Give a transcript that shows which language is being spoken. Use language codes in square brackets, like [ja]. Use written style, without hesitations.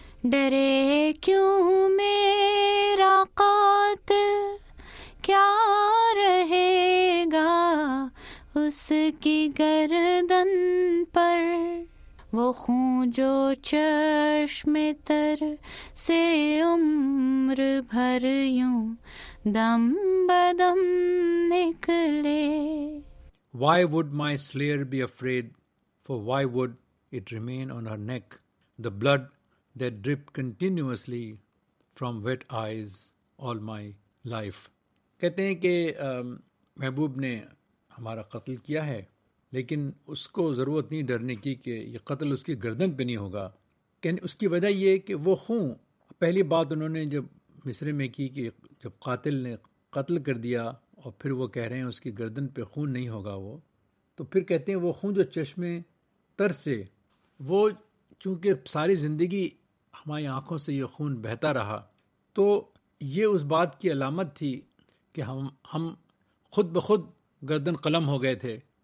[ur] ڈرے کیوں میرا قاتل, کیا رہے گا اس کی گردن پر وہ خون جو چشم تر سے عمر بھر یوں دم بدم نکلے. [en] Why would my slayer be afraid, for why would it remain on her neck the blood that dripped continuously from wet eyes all my life. [ur] کہتے ہیں کہ محبوب نے ہمارا قتل کیا ہے لیکن اس کو ضرورت نہیں ڈرنے کی کہ یہ قتل اس کی گردن پہ نہیں ہوگا. کہ اس کی وجہ یہ کہ وہ خون, پہلی بات انہوں نے جب مصرے میں کی کہ جب قاتل نے قتل کر دیا اور پھر وہ کہہ رہے ہیں اس کی گردن پہ خون نہیں ہوگا, وہ تو پھر کہتے ہیں وہ خون جو چشمے تر سے, وہ چونکہ ساری زندگی ہماری آنکھوں سے یہ خون بہتا رہا تو یہ اس بات کی علامت تھی کہ ہم خود بخود گردن قلم ہو گئے تھے.